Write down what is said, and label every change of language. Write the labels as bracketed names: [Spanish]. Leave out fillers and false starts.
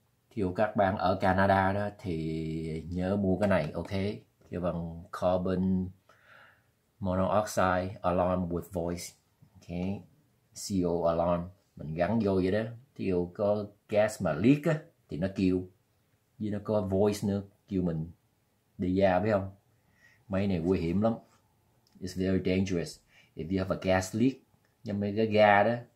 [Vietnamese] Thiếu các bạn ở Canada đó thì nhớ mua cái này, okay? Kêu bằng [English] carbon monoxide alarm with voice, okay? [Vietnamese] CO alarm mình gắn vô vậy đó. Thiếu có gas mà leak á thì nó kêu. Với nó có voice nữa kêu mình đi ra, biết không? Máy này nguy hiểm lắm. [English] It's very dangerous. If you have a gas leak, [Vietnamese] nhưng mấy cái ga đó.